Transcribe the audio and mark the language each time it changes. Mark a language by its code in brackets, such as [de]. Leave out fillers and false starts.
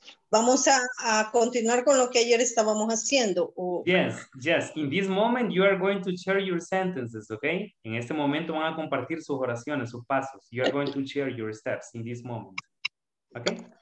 [es] Vamos a continuar con lo que ayer estábamos haciendo. [en] Yes, yes. In this moment, you are going to share your sentences, okay? [es] En este momento van a compartir sus oraciones, sus pasos. [en] You are going to share your steps in this moment, okay?